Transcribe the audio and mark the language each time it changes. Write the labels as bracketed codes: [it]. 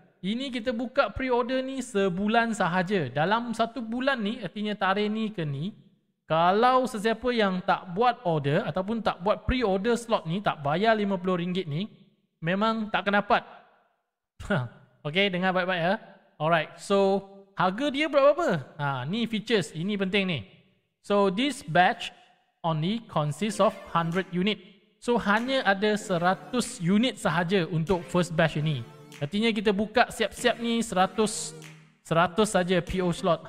[ms] Ini kita buka pre-order ni 1 bulan sahaja. Dalam 1 bulan ni, artinya tarikh ni ke ni, kalau sesiapa yang tak buat order ataupun tak buat pre-order slot ni, tak bayar RM50 ni, memang tak akan dapat. Okay, dengar baik-baik ya. Alright, so harga dia berapa? Ha, ni features, ini penting ni. [en] So this batch only consists of 100 unit. [ms] So hanya ada 100 unit sahaja untuk first batch ni. Artinya kita buka siap-siap ni 100 saja PO slot.